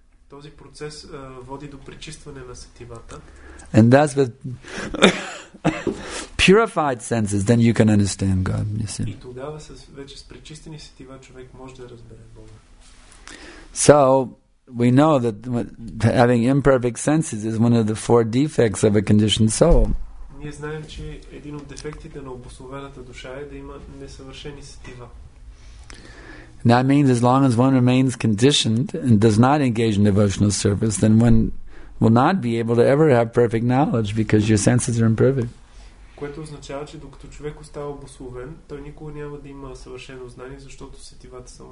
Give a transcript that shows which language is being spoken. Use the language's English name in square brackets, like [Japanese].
[Bulgarian] Този процес води до пречистване на сетивата. [English] And that's with purified senses, then you can understand God. You see. [Bulgarian] И тогава вече с пречистени сетива човек може да разбере Бога. [English] So we know that having imperfect senses is one of the four defects of a conditioned soul. [Bulgarian] Ние знаем, че един от дефектите на обусловената душа е да има несъвършени сетива. [English] And that means as long as one remains conditioned and does not engage in devotional service, then one will not be able to ever have perfect knowledge because your senses are imperfect. [Bulgarian] което означава, че докато човек остава обусловен, той никога няма да има съвършено знание, защото сетивата са